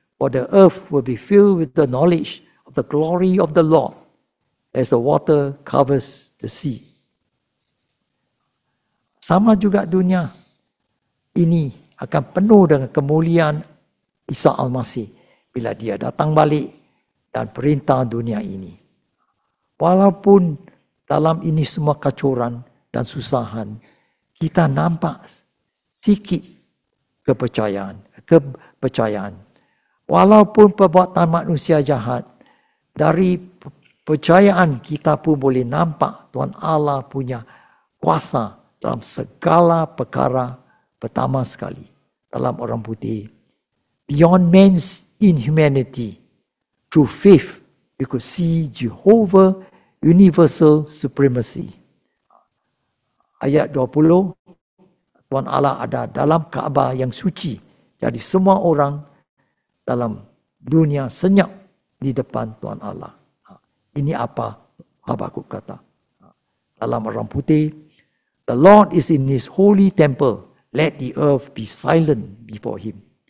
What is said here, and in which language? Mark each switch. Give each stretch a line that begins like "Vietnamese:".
English: For the earth will be filled with the knowledge of the glory of the Lord as the water covers the sea.
Malay: Sama juga dunia ini akan penuh dengan kemuliaan Isa Al-Masih bila dia datang balik dan perintah dunia ini. Walaupun dalam ini semua kacauan dan susahan, kita nampak sikit kepercayaan. Walaupun perbuatan manusia jahat, dari percayaan kita pun boleh nampak Tuhan Allah punya kuasa dalam segala perkara pertama sekali dalam orang putih.
English: Beyond man's inhumanity, through faith, we could see Jehovah universal supremacy.
Malay: Ayat 20, Tuhan Allah ada dalam Kaabah yang suci. Jadi semua orang dalam dunia senyap di depan Tuhan Allah. Ini apa Habakuk kata. Dalam orang putih,
English: the Lord is in his holy temple. Let the earth be silent before him.